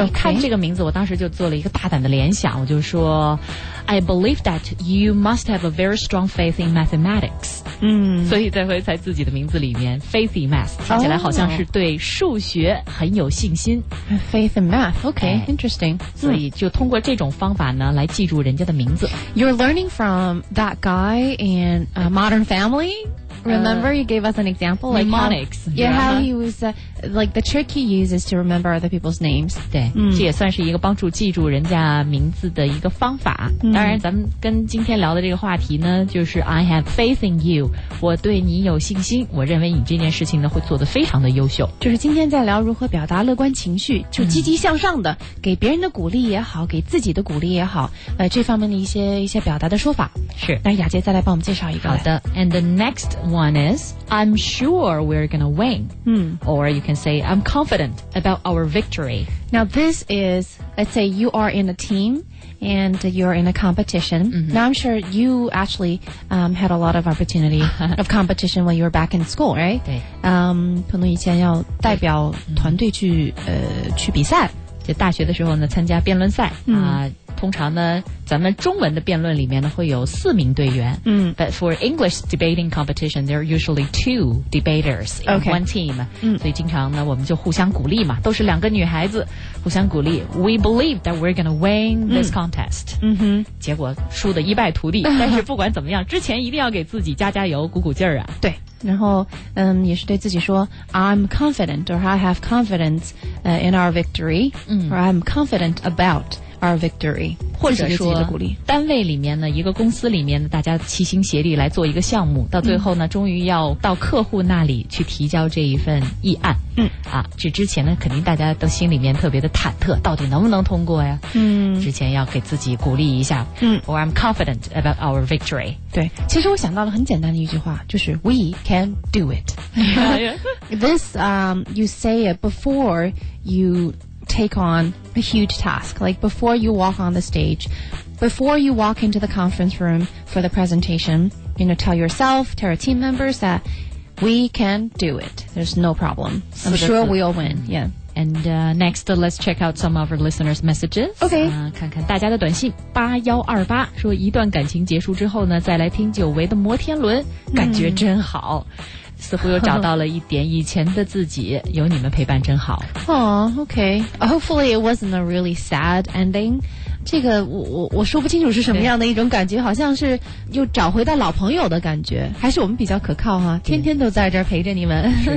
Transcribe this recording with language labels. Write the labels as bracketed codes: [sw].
[zh] 我一看这个名字，我当时就做了一个大胆的联想，我就说 ， [en] I believe that you must have a very strong faith in mathematics。 [zh] 嗯，所以才会在自己的名字里面 [en] faith in math， [zh] 听起来好像是对数学很有信心。 [en] Oh. Faith in math, okay, interesting。 [zh] 所以就通过这种方法呢，来记住人家的名字。 [en] You're learning from that guy in a Modern Family. Remember, you gave us an example. Like mnemonics. How he was,、like the trick he uses to remember other people's names. [zh] 对、嗯、这也算是一个帮助记住人家名字的一个方法、嗯。当然咱们跟今天聊的这个话题呢，就是 [en] I have faith in you. [zh] 我对你有信心，我认为你这件事情呢会做得非常的优秀。就是今天在聊如何表达乐观情绪，就积极向上的、嗯、给别人的鼓励也好，给自己的鼓励也好，这方面的一些表达的说法。是。那雅洁再来帮我们介绍一个。好的。 [en] And the next one is, I'm sure we're gonna win.、 Mm. Or you can say, I'm confident about our victory. Now this is, let's say you are in a team and you're in a competition.、 Mm-hmm. Now I'm sure you actually、had a lot of opportunity of competition when you were back in school, right? [zh] 对。彭总以前要代表团队去、去比赛。就大学的时候呢参加辩论赛。嗯、通常呢咱们中文的辩论里面呢会有四名队员。嗯。 [en] But for English debating competition, there are usually two debaters in、 okay. one team. [zh] 嗯。所以经常呢我们就互相鼓励嘛，都是两个女孩子互相鼓励。 [en] We believe that we're gonna win this contest. [zh] 嗯哼。结果输得一败涂地。但是不管怎么样之前一定要给自己加加油鼓鼓劲儿啊。对。然后也是对自己说 [en] I'm confident or I have confidence、in our victory、 [zh] 嗯、 [en] or I'm confident about our victory [zh] 或者说单位里面呢一个公司里面大家齐心协力来做一个项目到最后呢、嗯、终于要到客户那里去提交这一份议案、嗯、啊，这之前呢肯定大家都心里面特别的忐忑到底能不能通过呀嗯，之前要给自己鼓励一下、嗯、 [en] or I'm confident about our victory [zh] 对其实我想到了很简单的一句话就是 [en] We can do it This you say it before youtake on a huge task like before you walk on the stage before you walk into the conference room for the presentation you know tell yourself tell your team members that we can do it there's no problem I'm sure we'll win yeah and next let's check out some of our listeners messages okay [zh] 看看大家的短信8128说一段感情结束之后呢再来听久违的摩天轮感觉真好、嗯似乎又找到了一点以前的自己有你们陪伴真好 [en] Aww, okay. Hopefully it wasn't a really sad ending [zh] 这个我说不清楚是什么样的一种感觉好像是又找回到老朋友的感觉还是我们比较可靠哈天天都在这儿陪着你们